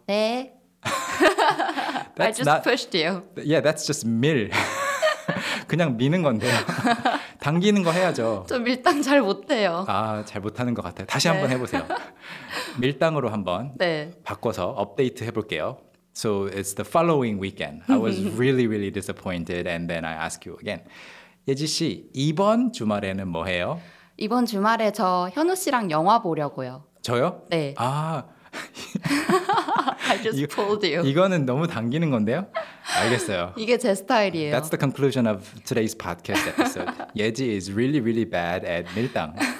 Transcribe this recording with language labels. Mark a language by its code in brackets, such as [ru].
[ko] 네. [en] That's I just not, pushed you. Yeah, that's just [ko] 밀. 그냥 미는 건데요. 당기는 거 해야죠. 저 밀당 잘 못해요. 아, 잘 못하는 것 같아요. 다시 네. 한번 해보세요. 밀당으로 한번 네. 바꿔서 업데이트 해볼게요. [en] So it's the following weekend. I was really, really disappointed and then I ask you again. [ko] 예지 씨, 이번 주말에는 뭐 해요? 이번 주말에 저 현우 씨랑 영화 보려고요. 저요? 네. 아... [en] I just pulled you. [ko] 이거는 너무 당기는 건데요? 알겠어요. 이게 제 스타일이에요. [en] That's the conclusion of today's podcast episode. Yeji is really, really bad at 밀당.